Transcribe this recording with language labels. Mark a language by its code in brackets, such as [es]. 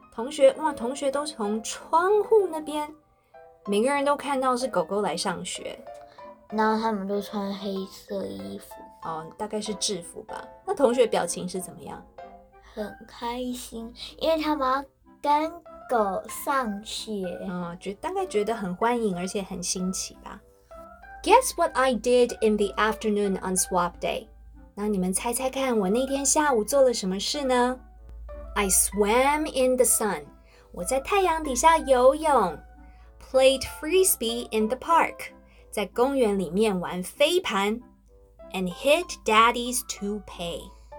[zh] 同学，哇，同学都从窗户那边，每个人都看到是狗狗来上学。然后他们都穿黑色衣服。大概是制服吧。那同学表情是怎么样？很开心，因为他们要跟狗上学。大概觉得很欢迎，而且很新奇吧。 [en] Guess what I did in the afternoon on swap day? [zh] 那你们猜猜看，我那天下午做了什么事呢？ [en] I swam in the sun. [zh] 我在太阳底下游泳。 [en] Played frisbee in the park. [zh] 在公园里面玩飞盘。 [en] And hid daddy's toupee.